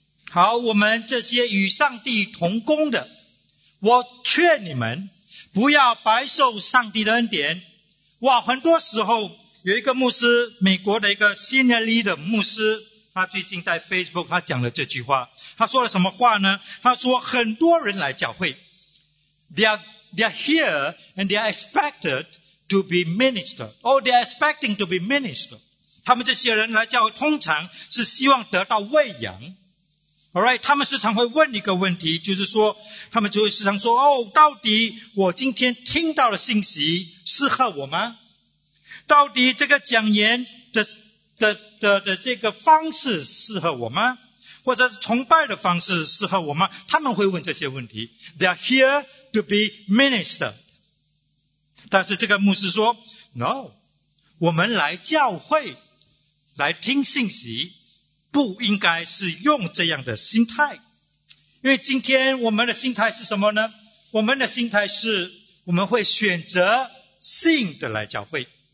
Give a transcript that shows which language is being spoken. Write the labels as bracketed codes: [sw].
[zh] 好，我们这些与上帝同工的，我劝你们不要白受上帝的恩典。哇，很多时候有一个牧师，美国的一个 senior leader 牧师，他最近在 Facebook 他讲了这句话，他说了什么话呢？他说很多人来教会， they are here and they are expected to be minister, or they are expecting to be minister. 他们这些人来教会通常是希望得到喂养， Alright, 他们时常会问一个问题，就是说，他们就会时常说，哦，到底我今天听到的信息适合我吗？到底这个讲言的这个方式适合我吗？或者是崇拜的方式适合我吗？他们会问这些问题。 [en] They are here to be ministered. [zh] 但是这个牧师说 ,No, 我们来教会来听信息不应该是用这样的心态。因为今天我们的心态是什么呢？我们的心态是我们会选择信的来教会。